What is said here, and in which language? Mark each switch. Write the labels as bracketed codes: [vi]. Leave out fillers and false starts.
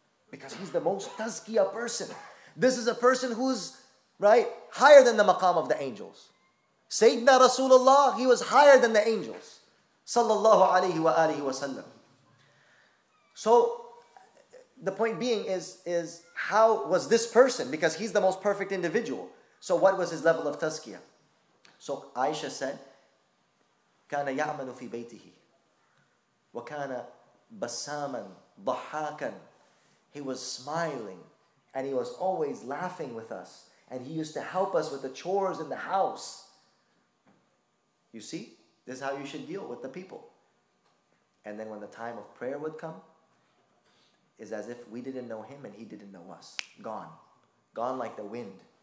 [en] Because he's the most tazkiyah person. This is a person who's, right, higher than the maqam of the angels. Sayyidina Rasulullah, he was higher than the angels. Sallallahu alayhi wa alihi wa sallam. So, the point being is how was this person? Because he's the most perfect individual. So what was his level of tazkiyah? So Aisha said, [ar] كان يعمل في بيته وكان بساما ضحاكا. [en] He was smiling and he was always laughing with us. And he used to help us with the chores in the house. You see, this is how you should deal with the people. And then when the time of prayer would come, is as if we didn't know him and he didn't know us. Gone. Gone like the wind.